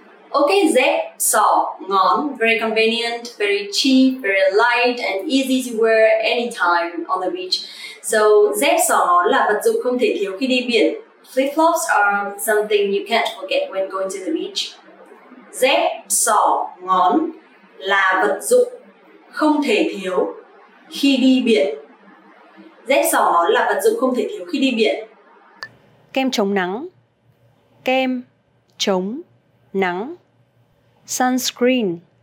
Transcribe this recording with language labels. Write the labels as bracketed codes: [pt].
[en] Okay, [vi] dép sỏ ngón, [en] very convenient, very cheap, very light and easy to wear anytime on the beach. [vi] So, dép sỏ ngón là vật dụng không thể thiếu khi đi biển. [en] Flip-flops are something you can't forget when going to the beach. [vi] Dép sỏ ngón là vật dụng không thể thiếu khi đi biển. Dép sỏ ngón là vật dụng không thể thiếu khi đi biển. Kem chống nắng. Kem chống nắng. Sunscreen.